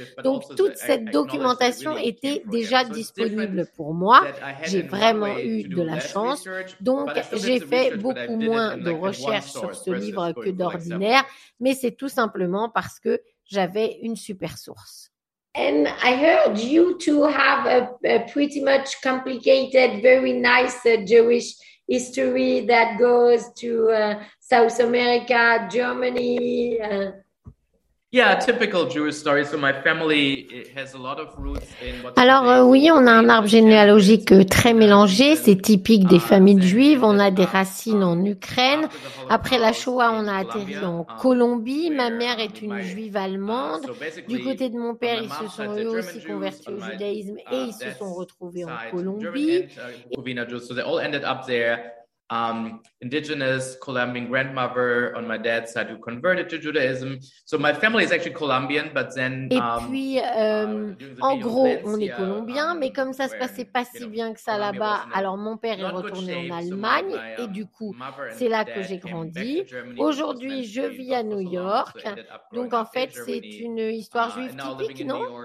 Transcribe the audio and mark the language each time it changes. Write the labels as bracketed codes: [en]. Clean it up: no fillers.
[fr] Donc, toute cette documentation était déjà disponible pour moi. J'ai vraiment eu de la chance. Donc, j'ai fait beaucoup moins de recherches sur ce livre que d'ordinaire, mais c'est tout simplement parce que j'avais une super source. [en] And I heard you two have a pretty much complicated, very nice Jewish history that goes to South America, Germany. Yeah, typical Jewish story. So my family has a lot of roots in. [fr] Alors oui, on a un arbre généalogique très mélangé. C'est typique des familles juives. On a des racines en Ukraine. Après la Shoah, on a atterri en Colombie. Ma mère est une juive allemande. Du côté de mon père, ils se sont eux aussi convertis au judaïsme et ils se sont retrouvés en Colombie. [en] So they all ended up there. Indigenous Colombian grandmother on my dad's side who converted to Judaism. So my family is actually Colombian, but then. [fr] Et puis, en gros, on est colombien, mais comme ça se passait pas si bien que ça là-bas, alors mon père est retourné en Allemagne, et du coup, c'est là que j'ai grandi. Aujourd'hui, je vis à New York. Donc en fait, c'est une histoire juive typique, non?